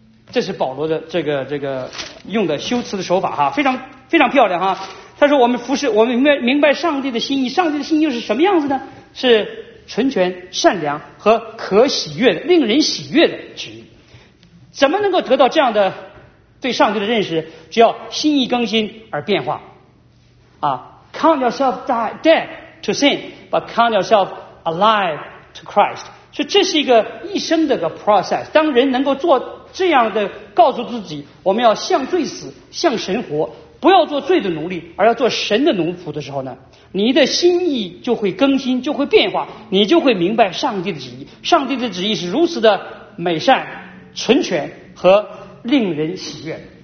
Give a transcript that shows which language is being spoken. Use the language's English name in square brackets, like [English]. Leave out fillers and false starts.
[Chinese] 这是保罗的这个用的修辞的手法哈，非常非常漂亮哈。他说我们服侍，我们明白上帝的心意，上帝的心意又是什么样子呢？是纯全、善良和可喜悦的，令人喜悦的旨意。怎么能够得到这样的对上帝的认识？只要心意更新而变化啊。 [English] Count yourself dead to sin, but count yourself alive to Christ. [Chinese] 所以这是一个一生的个 [English] process. [Chinese] 当人能够做这样的告诉自己，我们要向罪死，向神活，不要做罪的奴隶，而要做神的奴仆的时候呢，你的心意就会更新，就会变化，你就会明白上帝的旨意。上帝的旨意是如此的美善、纯全和令人喜悦。